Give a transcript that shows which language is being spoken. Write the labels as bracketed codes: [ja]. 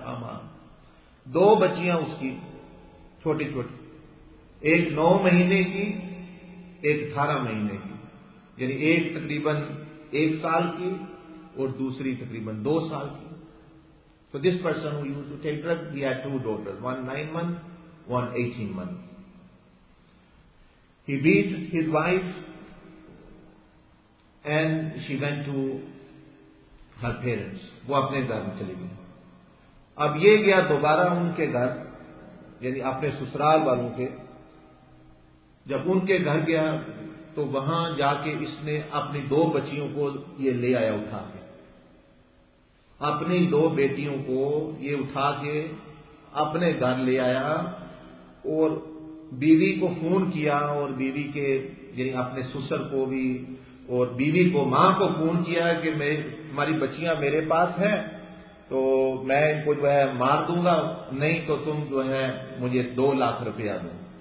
[ur] ہاں ماں، دو بچیاں اس کی چھوٹی چھوٹی، ایک 9 مہینے کی، ایک 18 مہینے کی، یعنی ایک تقریباً 1 سال کی اور دوسری تقریباً 2 سال کی. [en] تو this person who used to take drug, we had 2 daughters, 1 9 month, 1 18 month. He beat his wife and she went to her parents. [ur] وہ اپنے گھر میں چلی گئی. اب یہ گیا دوبارہ ان کے گھر، یعنی اپنے سسرال والوں کے. جب ان کے گھر گیا تو وہاں جا کے اس نے اپنی 2 بچیوں کو یہ لے آیا اٹھا کے، اپنی 2 بیٹیوں کو یہ اٹھا کے اپنے گھر لے آیا، اور بیوی کو فون کیا، اور بیوی کے یعنی اپنے سسر کو بھی اور بیوی کو، ماں کو فون کیا کہ تمہاری بچیاں میرے پاس ہیں تو میں ان کو جو ہے مار دوں گا، نہیں تو تم جو ہے مجھے 2 لاکھ روپیہ دو.